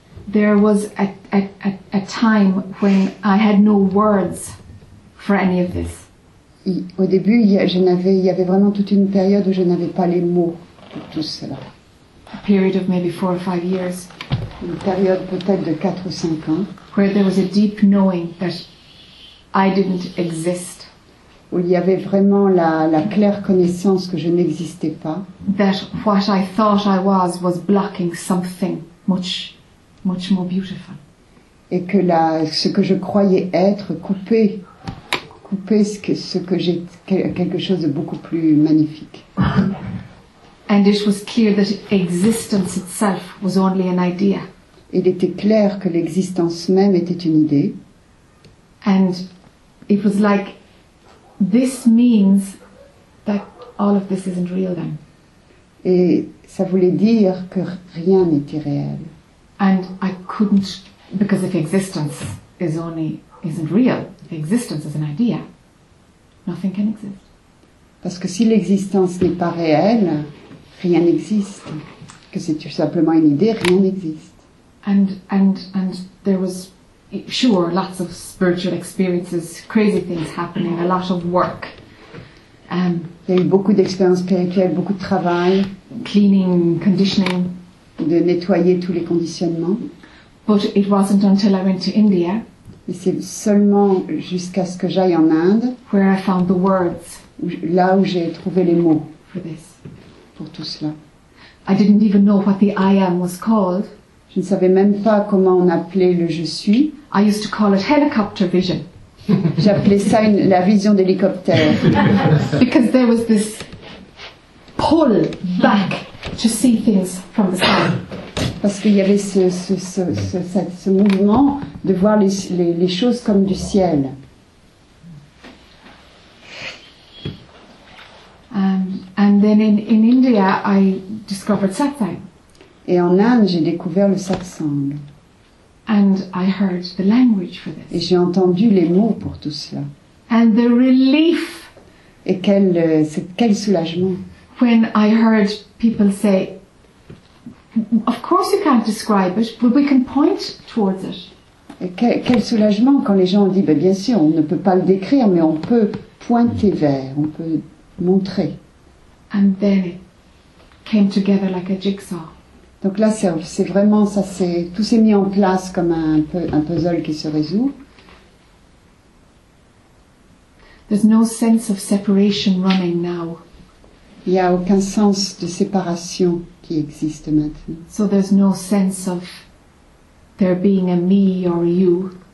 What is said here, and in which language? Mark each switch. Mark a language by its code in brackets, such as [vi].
[en] there was a time when I had no words for any of this. [fr] Au début, il y avait vraiment toute une période où je n'avais pas les mots pour tout cela. [en] A period of maybe 4 or 5 years. [fr] Une période peut-être de 4 ou 5 ans. [en] Where there was a deep knowing that I didn't exist. [fr] Où il y avait vraiment la claire connaissance que je n'existais pas. [en] That what I thought I was blocking something much, much more beautiful. [fr] Et que ce que je croyais être coupait ce que j'étais, quelque chose de beaucoup plus magnifique. [en] And it was clear that existence itself was only an idea. [fr] Il était clair que l'existence même était une idée. [en] And it was like, this means that all of this isn't real then. [fr] Et ça voulait dire que rien n'était réel. [en] And I couldn't, because if existence isn't real, if existence is an idea, nothing can exist. [fr] Parce que si l'existence n'est pas réelle, rien n'existe. Que c'est tout simplement une idée, rien n'existe. [en] And there was, sure, lots of spiritual experiences, crazy things happening, a lot of work. [fr] Il y a eu beaucoup d'expériences spirituelles, beaucoup de travail. [en] Cleaning, conditioning. [fr] De nettoyer tous les conditionnements. [en] But it wasn't until I went to India. [fr] Et c'est seulement jusqu'à ce que j'aille en Inde. [en] Where I found the words. [fr] Là où j'ai trouvé les mots. [en] For this. [fr] Pour tout cela. [en] I didn't even know what the I am was called. [fr] Je ne savais même pas comment on appelait le je suis. [en] I used to call it helicopter vision. [fr] J'appelais ça la vision d'hélicoptère. [en] Because there was this pull back to see things from the sky. [fr] Parce qu'il y avait ce mouvement de voir les choses comme du ciel. [en] And then in India I discovered satsang. [fr] Et en Inde, j'ai découvert le satsang. [en] And I heard the language for this. [fr] Et j'ai entendu les mots pour tout cela. [en] And the relief. [fr] Et quel soulagement. [en] When I heard people say, of course you can't describe it, but we can point towards it. [fr] Et quel soulagement quand les gens ont dit, ben bien sûr, on ne peut pas le décrire, mais on peut pointer vers, on peut montrer. [en] And then it came together like a jigsaw. [fr] Donc là, c'est vraiment, ça, c'est, tout s'est mis en place comme un puzzle qui se résout. [en] There's no sense of separation running now. [fr] Il n'y a aucun sens de séparation qui existe maintenant. [en] So there's no sense of there being a me or a you.